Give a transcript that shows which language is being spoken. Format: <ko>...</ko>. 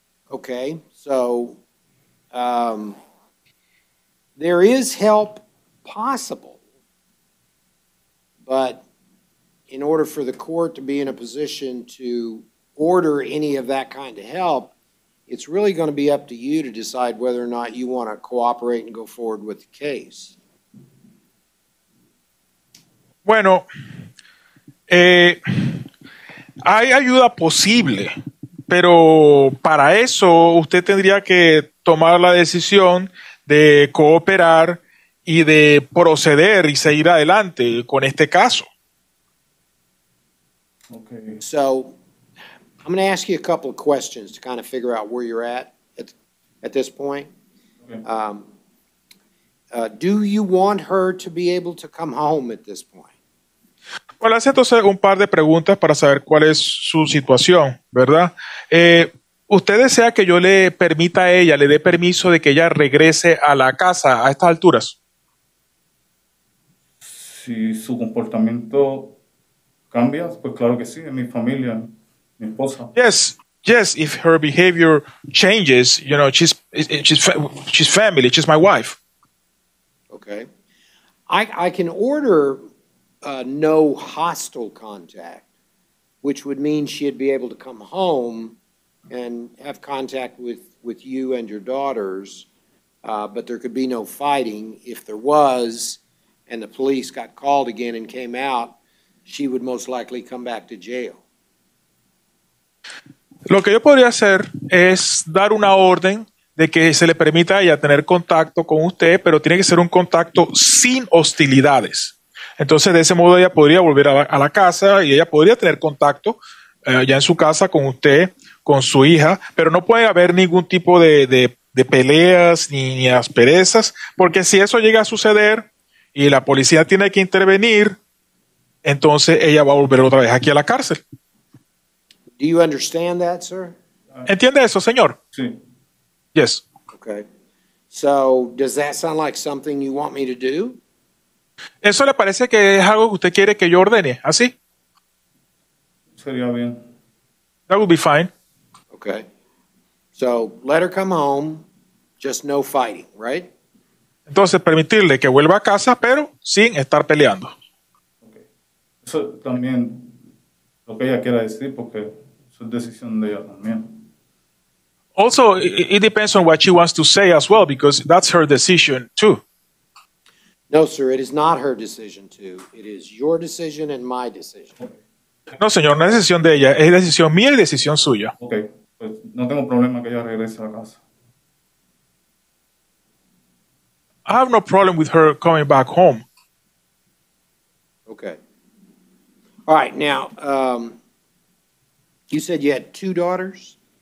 <en>Okay, so there is help possible, but in order for the court to be in a position to order any of that kind of help, it's really going to be up to you to decide whether or not you want to cooperate and go forward with the case.</en> <es>Bueno, hay ayuda posible, pero para eso usted tendría que tomar la decisión de cooperar y de proceder y seguir adelante con este caso.</es> <en>Okay. So, I'm going to ask you a couple of questions to kind of figure out where you're at this point. Okay. Do you want her to be able to come home at this point?</en> <es>Bueno, hace entonces un par de preguntas para saber cuál es su situación, ¿verdad? ¿Usted desea que yo le permita a ella, le dé permiso de que ella regrese a la casa a estas alturas? Si su comportamiento cambia, pues claro que sí, en mi familia, mi esposa.</es> <en>Yes, yes, if her behavior changes, you know, she's family, she's my wife. Okay. I can order no hostile contact, which would mean she'd be able to come home and have contact with you and your daughters, but there could be no fighting. If there was and the police got called again and came out, she would most likely come back to jail.</en> <es>Lo que yo podría hacer es dar una orden de que se le permita a ella tener contacto con usted, pero tiene que ser un contacto sin hostilidades. Entonces, de ese modo, ella podría volver a la casa y ella podría tener contacto ya en su casa con usted, con su hija, pero no puede haber ningún tipo de peleas ni asperezas, porque si eso llega a suceder y la policía tiene que intervenir, entonces ella va a volver otra vez aquí a la cárcel.</es> <en>Do you understand that, sir?</en> <es>¿Entiende eso, señor? Sí.</es> <en>Yes. Okay. So, does that sound like something you want me to do?</en> <es>¿Eso le parece que es algo que usted quiere que yo ordene? ¿Así? Sería bien.</es> <en>That would be fine. Okay. So let her come home, just no fighting, right?</en> <es>Entonces permitirle que vuelva a casa, pero sin estar peleando.</es> <en>Okay.</en> <es>Eso también lo que ella quiera decir, porque eso es decisión de ella también.</es> <en>Also, it depends on what she wants to say as well, because that's her decision too. No, sir, it is not her decision too. It is your decision and my decision.</en> <es>No, señor, no es decisión de ella. Es decisión mía y decisión suya. Ok, pues no tengo problema que ella regrese a casa.</es> <en>I have no problem with her coming back home. Okay. All right, now, you said you had two daughters?</en>